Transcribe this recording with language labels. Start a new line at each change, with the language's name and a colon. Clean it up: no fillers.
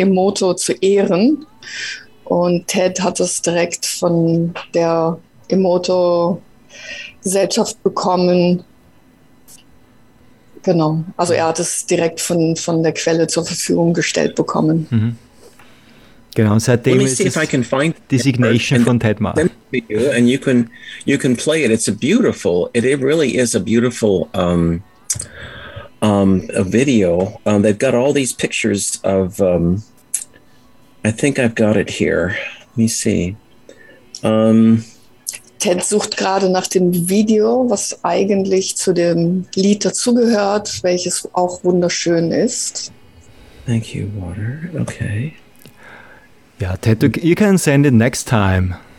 German: Emoto zu ehren. Und Ted hat es direkt von der Emoto-Gesellschaft bekommen. Genau, also er hat es direkt von der Quelle zur Verfügung gestellt bekommen. Mhm. Genau, und seitdem ist es Designation von Ted Mark.
English: And you can play it. It's a beautiful, it really is a beautiful a video. They've got all these pictures of I think I've got it here. Let me see.
German: Ted sucht gerade nach dem Video, was eigentlich zu dem Lied dazugehört, welches auch wunderschön ist.
English: Thank you, Water. Okay. Yeah, Ted, you can send it next time.